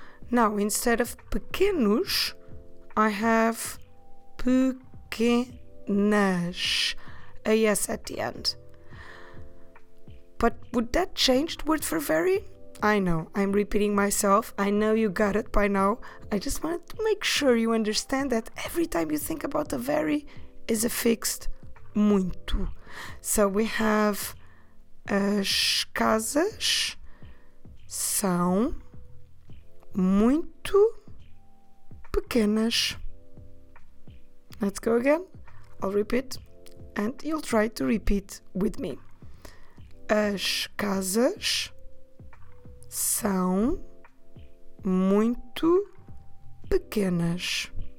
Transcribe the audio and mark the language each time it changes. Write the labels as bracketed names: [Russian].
[English] Now, instead of pequenos, I have pequenas, a S at the end. But would that change the word for very? I know, I'm repeating myself. I know you got it by now. I just wanted to make sure you understand that every time you think about a very, is a fixed muito. So we have [Portuguese] as casas são muito pequenas. [English] Let's go again. I'll repeat and you'll try to repeat with me. [Portuguese] As casas são muito pequenas.